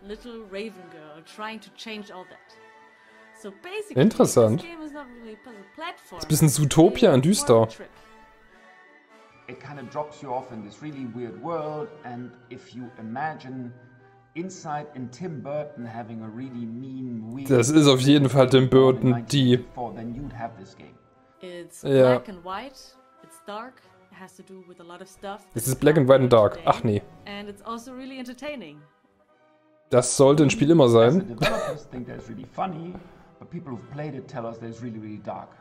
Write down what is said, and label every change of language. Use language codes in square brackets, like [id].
[en] Little raven girl trying to change all that. So basically, interessant. This game is not really a puzzle platform. It's a [de] bisschen Zootopia und düster. [en] It kind of drops you off in this really weird world, and if you imagine inside in Tim Burton having a really mean, weird... [de] Das ist auf jeden Fall Tim Burton, die... [en] ...then you'd have this game. It's black and white, it's dark, it has to do with a lot of stuff... [de] Es ist [en] black and white and dark, [de] ach nee. [en] ...and it's also really entertaining. [de] Das sollte ein Spiel immer sein. [en] As the developers think that it's really funny, but people who've played it tell us that it's really, really dark.